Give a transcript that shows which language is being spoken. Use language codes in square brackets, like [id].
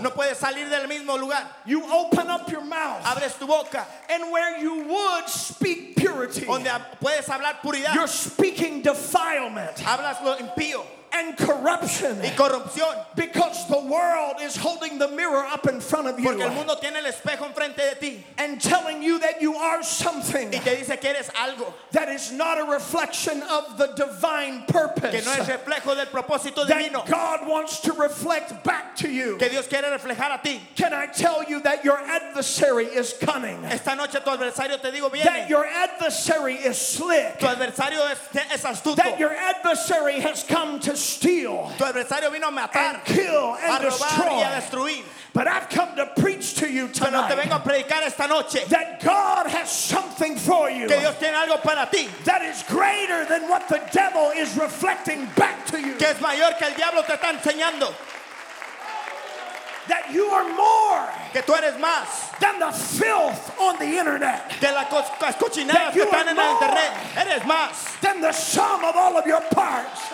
[es] No puede salir del mismo lugar. [en] You open up your mouth. [es] Abres tu boca. [en] And where you would speak purity. [es] Donde puedes hablar puridad. [en] You're speaking defilement. [es] Hablas lo impío. [en] And corruption. [es] Y corrupción. [en] Because the world is holding the mirror up in front of you. [es] Porque el mundo tiene el espejo enfrente de ti. [en] And telling you that you are something. [es] Y te dice que eres algo. [en] That is not a reflection of the divine purpose. [es] Que no es reflejo del propósito divino. [en] That God wants to reflect back to you. [es] Que Dios quiere reflejar a ti. [en] Can I tell you that your adversary is cunning? [es] Esta noche tu adversario te digo viene. [en] That your adversary is slick. [es] Tu adversario es astuto. [en] That your adversary has come to steal, [es] tu adversario vino a matar, [en] and kill, and [es] a robar, [en] destroy. [es] Y a destruir. [en] But I've come to preach to you tonight. [es] Pero te vengo a predicar esta noche. [en] That God has something for you. [es] Que Dios tiene algo para ti. [en] That is greater than what the devil is reflecting back to you. [es] Que es mayor que el diablo te está enseñando. [en] That you are more. [es] Que tú eres más. [en] Than the filth on the internet. [es] De las cochinadas que están en el internet. Eres más. [en] Than the sum of all of your parts.